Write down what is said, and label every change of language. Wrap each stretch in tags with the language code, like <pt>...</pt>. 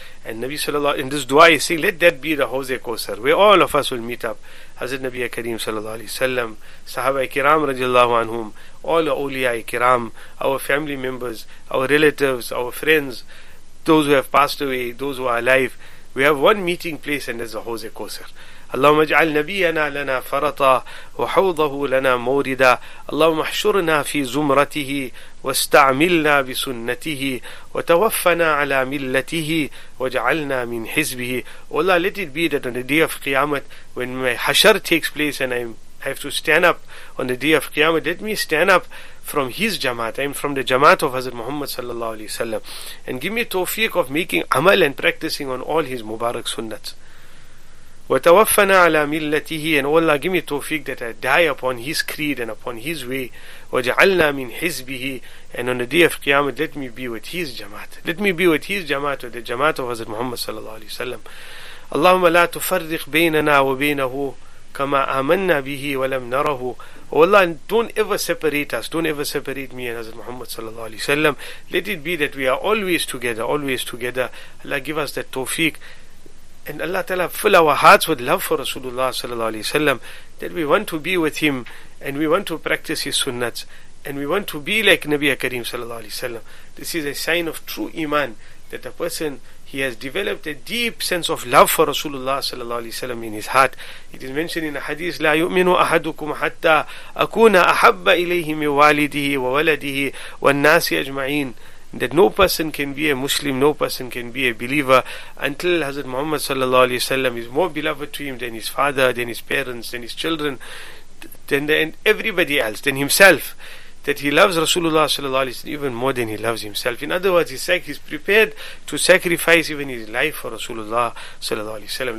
<en>And Nabi sallallahu, in this dua, he's saying, let that be the Hawz al-Kawthar, where all of us will meet up. Hazrat Nabi Kareem sallallahu alayhi wa sallam, Sahaba Kiram radiallahu anhum, all the awliya Kiram, our family members, our relatives, our friends, those who have passed away, those who are alive, we have one meeting place, and that's the Hawz al-Kawthar.</en> <ar>اللهم اجعل نبينا لنا فرطا وحوضه لنا موردا اللهم احشرنا في زمرته واستعملنا بسنته وتوفنا على ملته وجعلنا من حزبه.</ar> <en>والله, let it be that on the day of Qiyamah, when my hashar takes place and I have to stand up on the day of Qiyamah, let me stand up from his jamaat, I mean from the jamaat of Hazrat Muhammad sallallahu alayhi wa sallam, and give me tawfiq of making amal and practicing on all his mubarak sunnats.</en> <ar>وتوفنا على ملته,</ar> <en>and oh Allah, give me tawfiq that I die upon his creed and upon his way.</en> <ar>وجعلنا من حزبه,</ar> <en>and on the day of Qiyamah, let me be with his jamaat. Let me be with his jamaat, with the jamaat of Hazrat Muhammad صلى الله عليه وسلم.</en> <ar>اللهم لا تفرق بيننا وبينه كما آمنا به ولم نره.</ar> <en>Oh Allah, don't ever separate us. Don't ever separate me and Hazrat Muhammad صلى الله عليه وسلم. Let it be that we are always together, always together. Allah, give us that tawfiq. And Allah Ta'ala, fill our hearts with love for Rasulullah sallallahu alayhi wa sallam, that we want to be with him, and we want to practice his sunnats, and we want to be like Nabi Kareem sallallahu alayhi wa sallam. This is a sign of true iman, that a person, he has developed a deep sense of love for Rasulullah sallallahu alayhi wa sallam in his heart. It is mentioned in a hadith,</en> <ar>لا يؤمن أحدكم حتى أكون أحب إليه من والده وولده والناس أجمعين.</ar> <en>That no person can be a Muslim, no person can be a believer until Hazrat Muhammad sallallahu alayhi wa sallam is more beloved to him than his father, than his parents, than his children, than everybody else, than himself. That he loves Rasulullah sallallahu alayhi wa sallam even more than he loves himself. In other words, he's prepared to sacrifice even his life for Rasulullah sallallahu alayhi wa sallam.</en>